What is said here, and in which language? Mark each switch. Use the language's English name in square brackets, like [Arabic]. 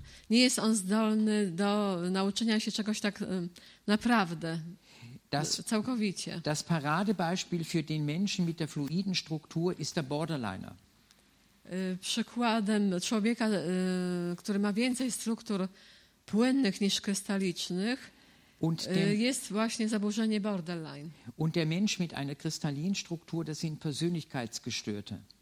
[Polish] Nie jest on zdolny do nauczenia się czegoś tak naprawdę, [German] das, [Polish] całkowicie. [German] Das Paradebeispiel für den Menschen mit der fluiden Struktur ist der Borderliner. [Polish] Przykładem człowieka, który ma więcej struktur płynnych niż krystalicznych, [German] und dem, [Polish] jest właśnie zaburzenie borderline. [German] Und der Mensch mit einer kristallinen Struktur, das sind Persönlichkeitsgestörte.